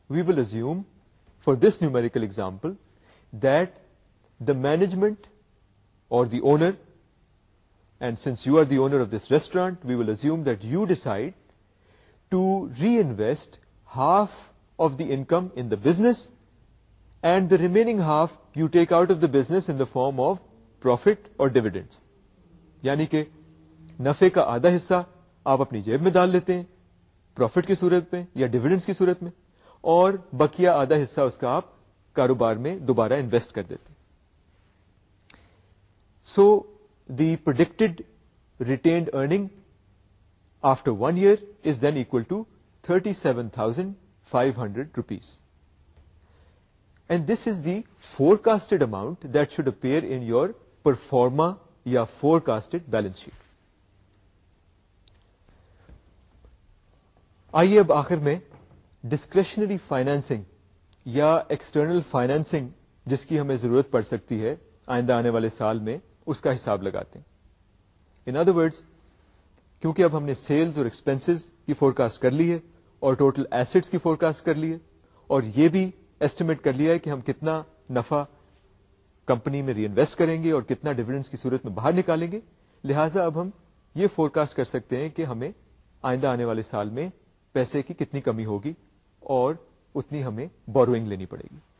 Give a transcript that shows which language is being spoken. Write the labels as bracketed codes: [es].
[en] We will assume for this numerical example that the management or the owner, and since you are the owner of this restaurant, we will assume that you decide to reinvest half of the income in the business, and the remaining half you take out of the business in the form of profit or dividends. [ur] یعنی کہ نفع کا آدھا حصہ آپ اپنی جیب میں ڈال لیتے ہیں profit کی صورت میں یا dividends کی صورت میں, اور بقیہ آدھا حصہ اس کا آپ کاروبار میں دوبارہ انویسٹ کر دیتے. [en] So the predicted retained earning after one year is then equal to 37,500 rupees. And this is the forecasted amount that should appear in your performa ya forecasted balance sheet. [ur] آئیے اب آخر میں discretionary financing یا external financing جس کی ہمیں ضرورت پڑ سکتی ہے آئندہ آنے والے سال میں اس کا حساب لگاتے ہیں. [en] In other words, [ur] کیونکہ اب ہم نے sales اور expenses کی forecast کر لی ہے اور total assets کی forecast کر لی ہے اور یہ بھی ایسٹیمیٹ کر لیا ہے کہ ہم کتنا نفع کمپنی میں ری انویسٹ کریں گے اور کتنا ڈیویڈنس کی صورت میں باہر نکالیں گے, لہٰذا اب ہم یہ فورکاسٹ کر سکتے ہیں کہ ہمیں آئندہ آنے والے سال میں پیسے کی کتنی کمی ہوگی اور اتنی ہمیں بوروئنگ لینی پڑے گی.